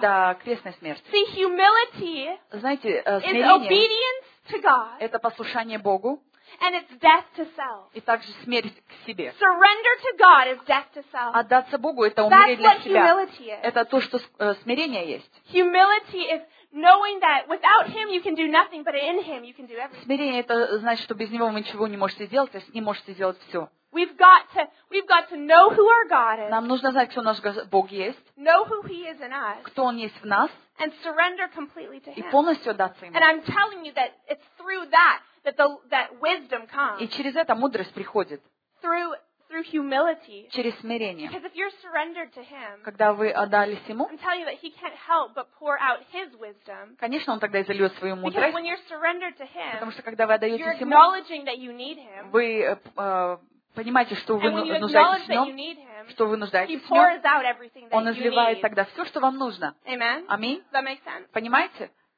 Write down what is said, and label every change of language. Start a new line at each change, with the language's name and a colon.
Russian: До крестной смерти.
English: See, humility,
Russian: знаете,
English: смирение, is obedience to God,
Russian: это послушание Богу,
English: and it's death to self.
Russian: И также смерть к себе.
English: Surrender to God is death to self.
Russian: Отдаться Богу — это умереть для себя.
English: That's what humility is.
Russian: Это то, что смирение есть.
English: Humility is knowing that without Him you can do nothing, but in Him you can do everything.
Russian: Смирение — это значит, что без Него вы ничего не можете сделать, а с Ним можете сделать все.
English: We've got to know who our God is.
Russian: Нам нужно знать, кто наш Бог есть.
English: Know who He is in us.
Russian: Кто Он есть в нас.
English: And surrender completely to Him.
Russian: И полностью отдаться Ему.
English: And I'm telling you that it's through that wisdom comes.
Russian: И через это мудрость приходит.
English: Through humility.
Russian: Через смирение.
English: Because if you're surrendered to Him,
Russian: когда вы отдались Ему,
English: I'm telling you that He can't help but pour out His wisdom.
Russian: Конечно, Он тогда изольет свою мудрость.
English: Because when you're surrendered to Him,
Russian: потому что когда вы отдаетесь
English: Ему, you're acknowledging that you need Him.
Russian: Вы понимаете, что вы нуждаетесь в Нем, что вы нуждаетесь в Нем. Он изливает тогда все, что вам нужно. Аминь.
English: That makes sense.
Russian: Понимаете?